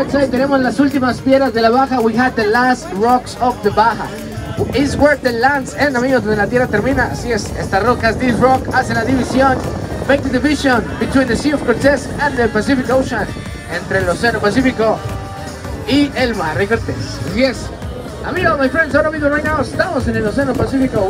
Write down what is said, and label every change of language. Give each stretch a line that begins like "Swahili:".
Spanish: Tenemos las últimas piedras de la Baja.
English: We had the last rocks of the Baja. It's where the lands end, amigos,
Spanish: donde la tierra termina. Así es, estas rocas,
English: this rock,
Spanish: hace la división.
English: Make the division between the Sea of Cortez and the Pacific Ocean.
Spanish: Entre el Océano Pacífico y el Mar de Cortez. Yes. Amigos,
English: my friends,
Spanish: ahora mismo,
English: right now,
Spanish: estamos en el Océano Pacífico.